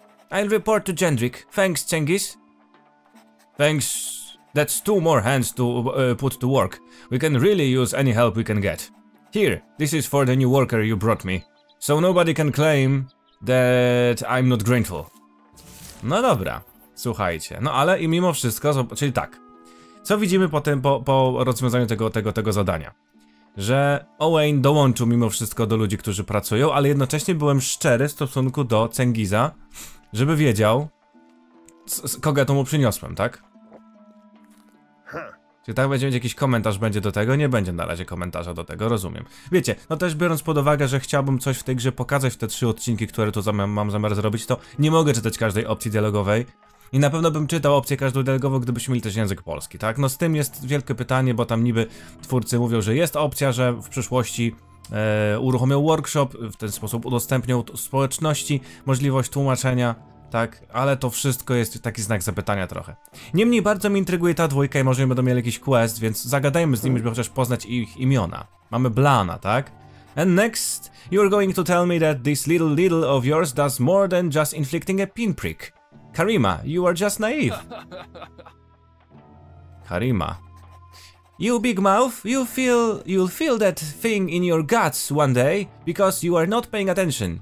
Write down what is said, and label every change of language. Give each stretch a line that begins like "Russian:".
English: I'll report to Jendrik. Thanks, Cengiz. Thanks. That's two more hands to put to work. We can really use any help we can get. Here, this is for the new worker you brought me. So nobody can claim that I'm not grateful.
Polish: No dobra, słuchajcie. No ale i mimo wszystko, czyli tak. Co widzimy potem po rozwiązaniu tego zadania? Że Owain dołączył mimo wszystko do ludzi, którzy pracują, ale jednocześnie byłem szczery w stosunku do Cengiza, żeby wiedział, kogo to mu przyniosłem, tak? Czy tak będzie jakiś komentarz będzie do tego? Nie będzie na razie komentarza do tego, rozumiem. Wiecie, no też biorąc pod uwagę, że chciałbym coś w tej grze pokazać w te trzy odcinki, które tu mam zamiar zrobić, to nie mogę czytać każdej opcji dialogowej. I na pewno bym czytał opcję każdą dialogową, gdybyśmy mieli też język polski, tak? No z tym jest wielkie pytanie, bo tam niby twórcy mówią, że jest opcja, że w przyszłości uruchomią workshop, w ten sposób udostępnią społeczności możliwość tłumaczenia. Tak, ale to wszystko jest taki znak zapytania trochę. Niemniej bardzo mnie intryguje ta dwójka i może będą mieli jakiś quest, więc zagadajmy z nimi, żeby chociaż poznać ich imiona. Mamy Blana, tak?
English: And next, you're going to tell me that this little of yours does more than just inflicting a pinprick. Karima, you are just naive. Karima. You big mouth, you'll feel that thing in your guts one day, because you are not paying attention.